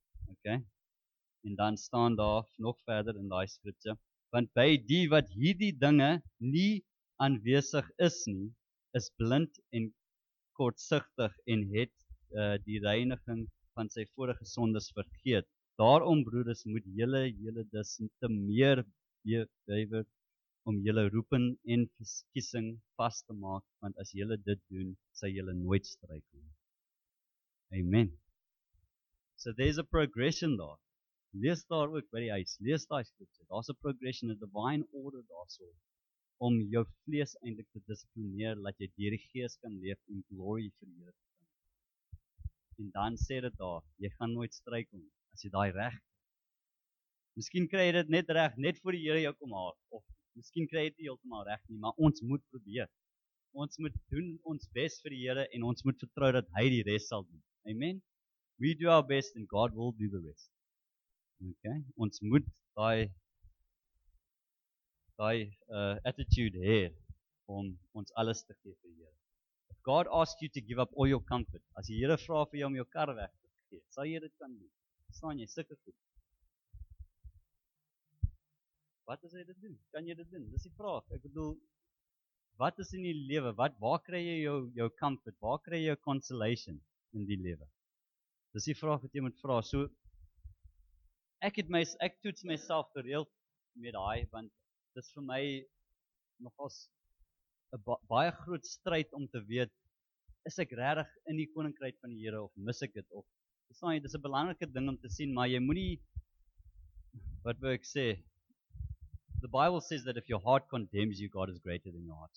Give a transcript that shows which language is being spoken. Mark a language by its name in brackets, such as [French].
[Afrikaans] Ok, en dan staan daar nog verder in die skripte, want by die wat hierdie dinge nie aanwesig is nie, is blind en kortsigtig en het die reiniging van sy vorige sondes vergeet. Daarom, broeders, moet julle dus te meer bewywer om julle roepen en verkiesing vast te maak, want as julle dit doen, sal julle nooit struikel. [English] Amen. So there's a progression [Afrikaans] daar. Lees daar ook by die huis, lees daar skrifte. Daar's [English] a progression, a divine order [Afrikaans] daarso, om jou vlees eintlik te disiplineer, dat jy deur die gees kan leef en glory vir die Here kan. En dan sê dit daar, jy gaan nooit struikel as jy daai reg. Miskien kry jy dit net reg, net voor die Here jou kom haal, of miskien kry het nie heeltemaal recht nie, maar ons moet probeer. Ons moet doen ons best vir die Here, en ons moet vertrou dat hy die rest sal doen. Amen? [English] We do our best, and God will do the rest. Okay? [Afrikaans] Ons moet die attitude hê, om ons alles te gee vir die Here. [English] If God asks you to give up all your comfort, [Afrikaans] as die Here vra vir jou om jou kar weg te gee, sal jy dit kan doen? Staan jy sikker goed? Wat is jy dit doen? Kan jy dit doen? Dis die vraag. Ek bedoel, wat is in die lewe? Waar kry jy jou comfort? Waar kry jy jou consolation in die lewe? Dis die vraag wat jy moet vra. So, ek toets myself gereeld met daai, want dis vir my nogals 'n baie groot stryd om te weet, is ek regtig in die koninkryk van die Here of mis ek dit? Of, verstaan jy, dis 'n belangrike ding om te sien, maar jy moenie, wat wil ek sê, [English] the Bible says that if your heart condemns you, God is greater than your heart.